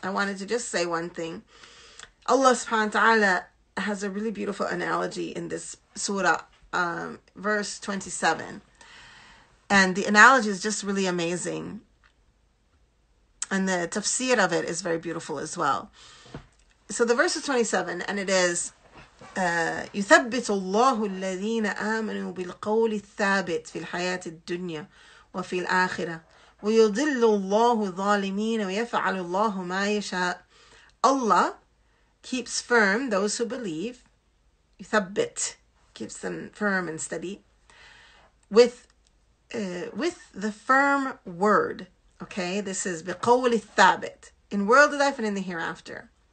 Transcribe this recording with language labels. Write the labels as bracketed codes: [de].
[en] I wanted to just say one thing. Allah subhanahu wa ta'ala has a really beautiful analogy in this surah, verse 27. And the analogy is just really amazing. And the tafsir of it is very beautiful as well. So the verse is 27 and it is, [ar] يُثَبِّتُ اللَّهُ الَّذِينَ آمَنُوا بِالْقَوْلِ الثَّابِتِ فِي الْحَيَاةِ الدُّنْيَا وفي الآخرة ويضل الله الظالمين ويفعل الله ما يشاء. [en] Allah keeps firm those who believe, يثبت, keeps them firm and steady with the firm word. Okay, this is [ar] بقول الثابت, [en] in worldly life and in the hereafter.